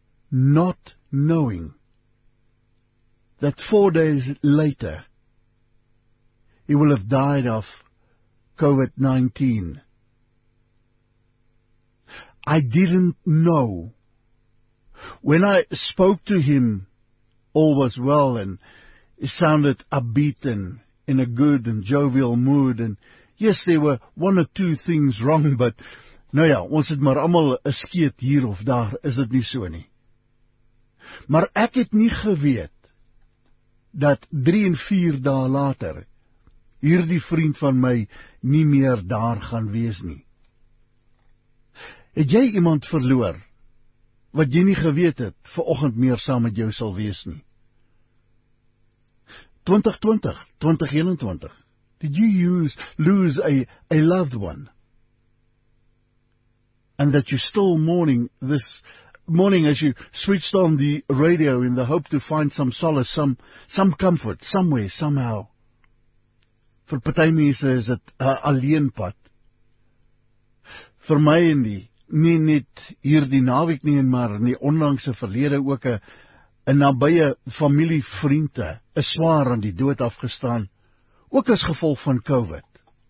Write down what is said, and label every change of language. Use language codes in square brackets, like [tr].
[en] Not knowing that 4 days later, he will have died of COVID-19. I didn't know. When I spoke to him, all was well, and he sounded upbeat and in a good and jovial mood. And yes, there were one or two things wrong, but [af] nou ja, ons het maar allemaal een skeet hier of daar, is het nie so nie. Maar ek het nie geweet, dat 3 en 4 dae later, hierdie vriend van my nie meer daar gaan wees nie. Het jy iemand verloor, wat jy nie geweet het, vanoggend meer saam met jou sal wees nie? [en] 2020, 2021, did you lose a loved one? And that you're still mourning this morning as you switched on the radio in the hope to find some solace, some comfort, somewhere, somehow. [af] Vir party mense is dit 'n alleen pad. Vir my en die, nie net hierdie naweek nie, maar in die onlangse verlede ook 'n nabye familievriende, 'n swaar aan die dood afgestaan, ook as gevolg van COVID.